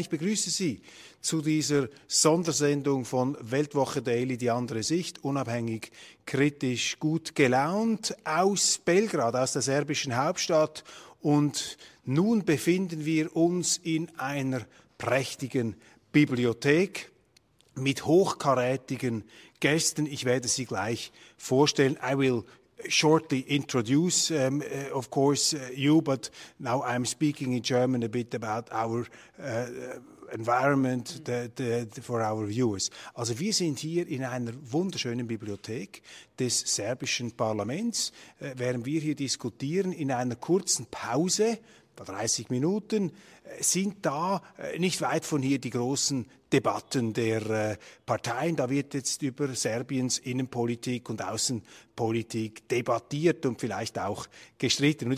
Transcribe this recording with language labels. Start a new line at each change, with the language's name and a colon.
German: Ich begrüße Sie zu dieser Sondersendung von Weltwoche Daily, die andere Sicht, unabhängig, kritisch, gut gelaunt aus Belgrad, aus der serbischen Hauptstadt. Und nun befinden wir uns in einer prächtigen Bibliothek mit hochkarätigen Gästen. Ich werde sie gleich vorstellen.
English: I will shortly introduce, of course, you, but now I'm speaking in German a bit about our environment for our viewers.
German: Also wir sind hier in einer wunderschönen Bibliothek des serbischen Parlaments, während wir hier diskutieren, in einer kurzen Pause, 30 Minuten, sind da nicht weit von hier die großen Debatten der Parteien. Da wird jetzt über Serbiens Innenpolitik und Außenpolitik debattiert und vielleicht auch gestritten.